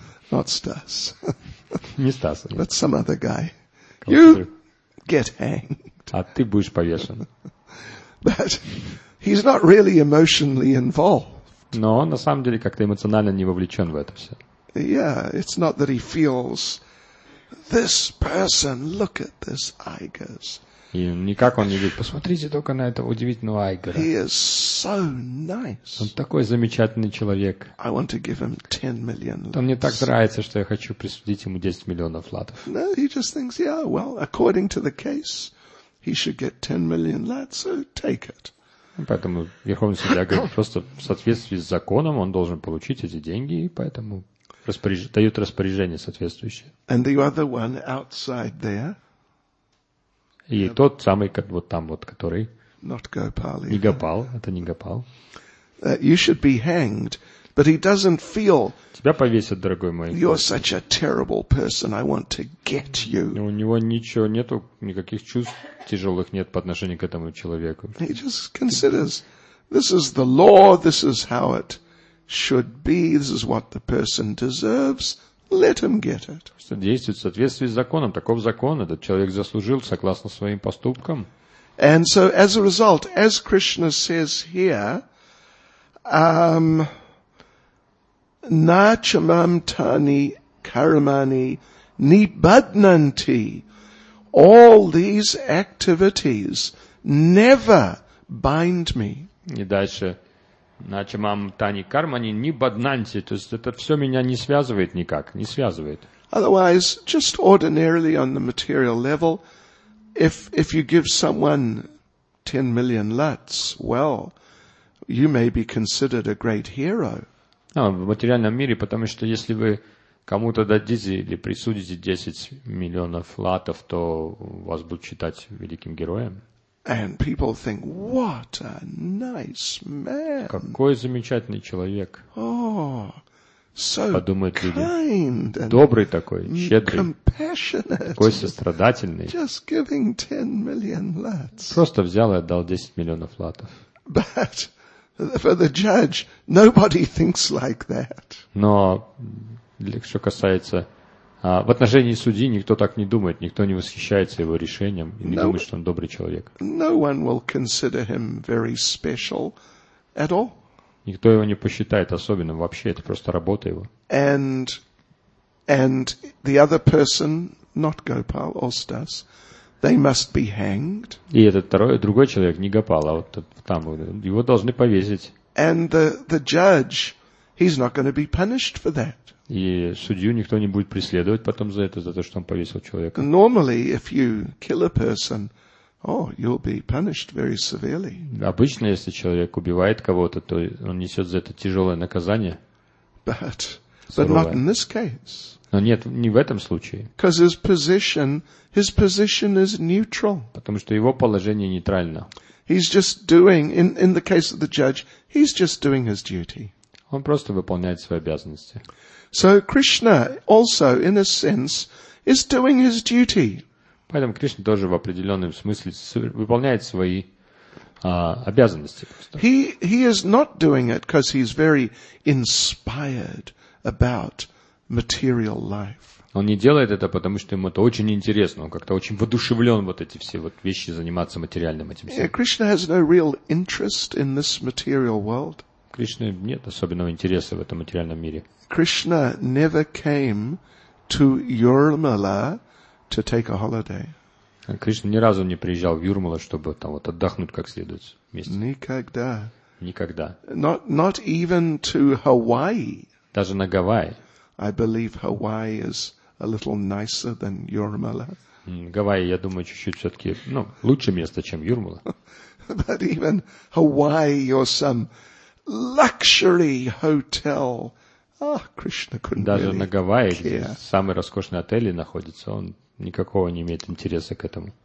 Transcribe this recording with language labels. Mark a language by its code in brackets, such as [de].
[en] Not Stas. [ru] Не Стас. [en] But some other guy. You get hanged. [ru] А ты будешь повешен. [en] But he's not really emotionally involved. [ru] Но он на самом деле как-то эмоционально не вовлечен в это все. [en] Yeah, it's not that he feels this person, look at this Aigars. [ru] И никак он не говорит, посмотрите только на этого удивительного Айгара. [en] He is so nice. [ru] Он такой замечательный человек. [en] I want to give him 10 million lats. [ru] Он мне так нравится, что я хочу присудить ему 10 миллионов латов. [en] No, he just thinks, yeah, well, according to the case, he should get 10 million lats, so take it. [ru] Поэтому Верховный судья говорит, просто в соответствии с законом он должен получить эти деньги, и поэтому... дают распоряжение соответствующее. [en] And the other one outside there, [ru] и yep. Тот самый, вот там вот, который... [en] Not Gopal, [ru] не Гопал, это не Гопал. [en] You should be hanged, but he doesn't feel... [ru] Тебя повесят, дорогой мой. [en] You're such a terrible person, I want to get you. [ru] У него ничего нету, никаких чувств тяжелых нет по отношению к этому человеку. [en] He just considers, this is the law, this is how it... should be, this is what the person deserves, let him get it. [ru] Что действует в соответствии с законом, таков закон, этот человек заслужил согласно своим поступкам. [en] And so as a result, as Krishna says here, [sa] na chamam tani karmani nibadnanti, [en] all these activities never bind me. [ru] И дальше иначе мам тани кармани не баднанти, то есть это все меня не связывает никак, не связывает. [en] Otherwise, just ordinarily on the material level, if you give someone 10 million luts, well, you may be considered a great hero. [ru] А, в материальном мире, потому что если вы кому-то дадите или присудите 10 миллионов латов, то вас будут считать великим героем. [en] And people think, what a nice man. [ru] Какой замечательный человек. [en] Oh, so [ru] подумают [en] kind [ru] люди. Добрый такой, щедрый. [en] Compassionate. [ru] Такой сострадательный. [en] Just giving 10 million lats. [ru] Просто взял и отдал 10 миллионов латов. [en] But for the judge, nobody thinks like that. [ru] Но что касается в отношении судьи, никто так не думает, никто не восхищается его решением и не думает, что он добрый человек. [en] No one will consider him very special at all. [ru] Никто его не посчитает особенным вообще, это просто работа его. [en] And the other person, not Gopal, Ostas, they must be hanged. [ru] И этот другой человек, не Гопал, а вот там его должны повесить. [en] And the judge, he's not going to be punished for that. [ru] И судью никто не будет преследовать потом за это, за то, что он повесил человека. [en] Normally, if you kill a person, oh, you'll be punished very severely. [ru] Обычно, если человек убивает кого-то, то он несет за это тяжелое наказание. [en] But not in this case. [ru] Но нет, не в этом случае. [en] Because his position is neutral. [ru] Потому что его положение нейтрально. [en] He's just doing, in the case of the judge, he's just doing his duty. [ru] Он просто выполняет свои обязанности. [en] So Krishna also, in a sense, is doing his duty. [ru] Поэтому Кришна тоже в определенном смысле выполняет свои обязанности. [en] He is not doing it because he's very inspired about material life. [ru] Он не делает это, потому что ему это очень интересно. Он как-то очень воодушевлен вот эти все вот вещи заниматься материальным этим всем. [en] Yeah, Krishna has no real interest in this material world. [ru] Кришне нет особенного интереса в этом материальном мире. [en] Krishna never came to Yurmala to take a holiday. [ru] Кришна ни разу не приезжал в Юрмалу, чтобы там вот отдохнуть как следует вместе. Никогда. Никогда. [en] Not even to Hawaii. [ru] Даже на Гавайи. [en] I believe Hawaii is a little nicer than Yurmala. [ru] Гавайи, я думаю, чуть-чуть все-таки, ну, лучше место, чем Юрмала. [en] But even Hawaii or some luxury hotel. Oh, Krishna couldn't [ru] даже [en] really [ru] на Гавайи, [en] care. [ru] Где самые роскошные отели находятся, он никакого не имеет интереса к этому.